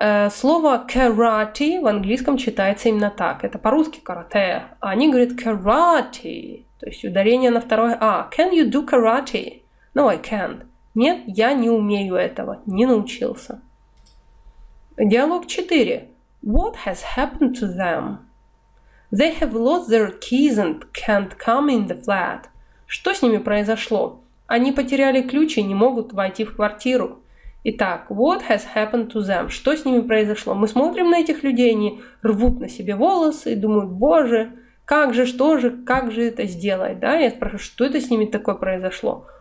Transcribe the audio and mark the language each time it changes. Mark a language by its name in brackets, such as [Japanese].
[Russian] Слово karate в английском читается именно так. Это по-русски карате, а они говорят karate, то есть ударение на второе А. [English] Can you do karate? No, I can't. [Russian] Нет, я не умею этого, не научился. Диалог 4. [English] What has happened to them? They have lost their keys and can't come in the flat. [Russian] Что с ними произошло? Они потеряли ключи и не могут войти в квартиру. Итак, [English] what has happened to them? [Russian] Что с ними произошло? Мы смотрим на этих людей, они рвут на себе волосы и думают, боже, как же, что же, как же это сделать? Да, я спрашиваю, что это с ними такое произошло?